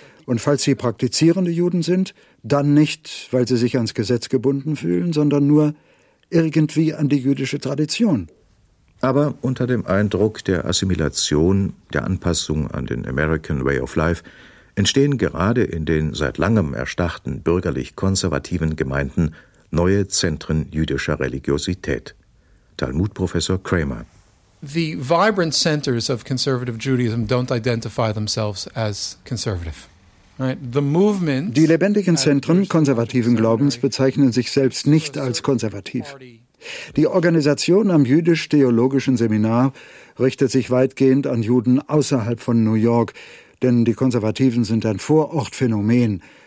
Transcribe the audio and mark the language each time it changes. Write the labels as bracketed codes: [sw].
[de] Und falls sie praktizierende Juden sind, dann nicht, weil sie sich ans Gesetz gebunden fühlen, sondern nur irgendwie an die jüdische Tradition. Aber unter dem Eindruck der Assimilation, der Anpassung an den American Way of Life, entstehen gerade in den seit langem erstarrten bürgerlich-konservativen Gemeinden neue Zentren jüdischer Religiosität. Talmud-Professor Kramer. [en] The vibrant centers of conservative Judaism don't identify themselves as conservative. [de] Die lebendigen Zentren konservativen Glaubens bezeichnen sich selbst nicht als konservativ. Die Organisation am jüdisch-theologischen Seminar richtet sich weitgehend an Juden außerhalb von New York, denn die Konservativen sind ein Vorortphänomen.